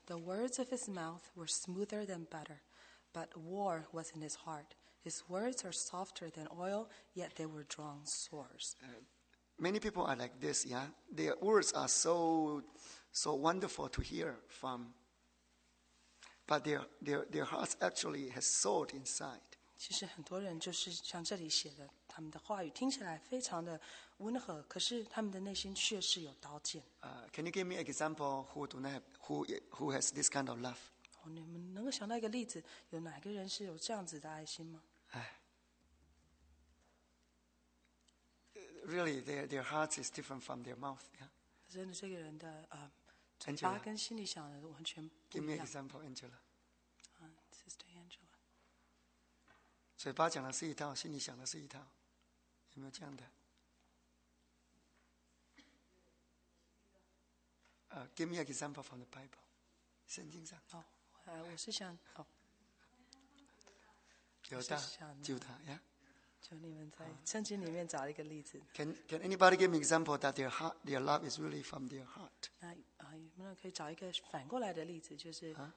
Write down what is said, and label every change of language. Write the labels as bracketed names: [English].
[English] The words of his mouth were smoother than butter, but war was in his heart. His words are softer than oil, yet they were drawn sores. Many people are like this, yeah. Their words are so wonderful to hear from. But their hearts actually has sword inside. [Chinese] 其实很多人就是像这里写的，他们的话语听起来非常的温和，可是他们的内心却是有刀剑. [English] Can you give me an example who do not have, who has this kind of love? [Chinese] 你们能够想到一个例子，有哪个人是有这样子的爱心吗？ [English] Really, their hearts is different from their mouth. Yeah. [Chinese] 真的，这个人的 嘴巴跟心里想的完全不一样。Give [English] me an example, Angela. Sister Angela. [Chinese] 嘴巴讲的是一套，心里想的是一套，有没有这样的？ [English] Give me an example from the Bible, [Chinese] 圣经上。我是想，有的，就他， [English] yeah? [Chinese] 就你们在圣经里面找一个例子。 [English] Can anybody give me an example that their heart, their love is really from their heart? [Chinese] 那有没有可以找一个反过来的例子，就是。